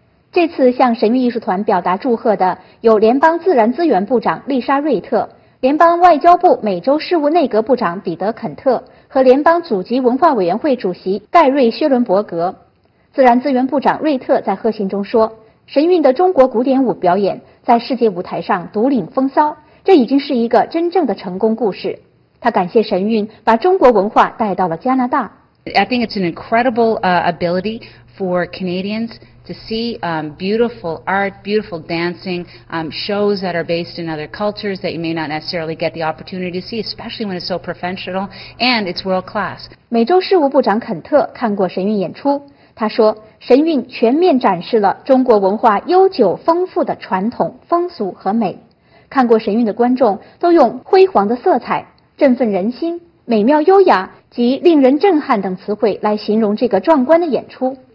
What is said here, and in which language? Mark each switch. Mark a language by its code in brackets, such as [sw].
[zh] 这次向神韵艺术团表达祝贺的有联邦自然资源部长丽莎·瑞特、联邦外交部美洲事务内阁部长彼得·肯特和联邦祖籍文化委员会主席盖瑞·薛伦伯格。自然资源部长瑞特在贺信中说，神韵的中国古典舞表演在世界舞台上独领风骚，这已经是一个真正的成功故事。他感谢神韵把中国文化带到了加拿大。 [en] I think it's an incredible ability for Canadians to see beautiful art, beautiful dancing, shows that are based in other cultures that you may not necessarily get the opportunity to see, especially when it's so professional and it's world class. [zh] 美洲事务部长肯特看过神韵演出，他说神韵全面展示了中国文化悠久丰富的传统风俗和美，看过神韵的观众都用辉煌的色彩、振奋人心、美妙优雅及令人震撼等词汇来形容这个壮观的演出。